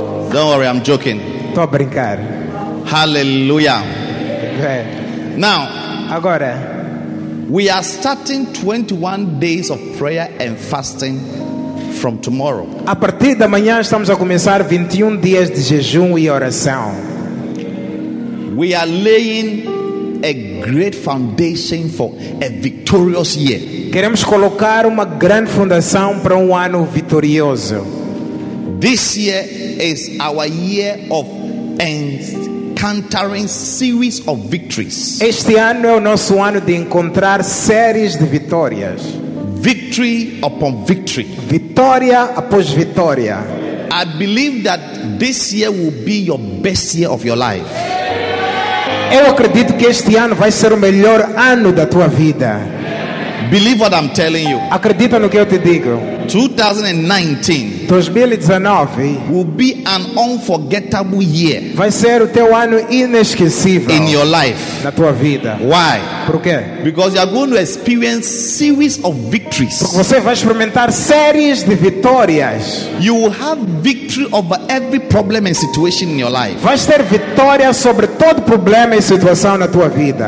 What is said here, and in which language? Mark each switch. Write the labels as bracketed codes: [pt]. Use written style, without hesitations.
[en] Don't worry, I'm joking. [pt] Estou a brincar. [en] Hallelujah. [pt] Amen. [en] Now, [pt] agora, [en] we are starting 21 days of prayer and fasting from tomorrow. [pt] A partir da manhã estamos a começar 21 dias de jejum e oração. [en] We are laying a great foundation for a victorious year. [pt] Queremos colocar uma grande fundação para ano vitorioso. [en] This year is our year of encountering series of victories. [pt] Este ano é o nosso ano de encontrar séries de vitórias. [en] Victory upon victory. [pt] Vitória após vitória. [en] I believe that this year will be your best year of your life. [pt] Eu acredito que este ano vai ser o melhor ano da tua vida. [en] Believe what I'm telling you. [pt] Acredita no que eu te digo. [en] 2019 will be an unforgettable year. [pt] Vai ser o teu ano inesquecível. [en] In your life. [pt] Na tua vida. [en] Why? [pt] Por quê? [en] Because you are going to experience series of victories. [pt] Porque você vai experimentar séries de vitórias. [en] You will have victory over every problem and situation in your life. [pt] Vai ter vitória sobre todo problema e situação na tua vida.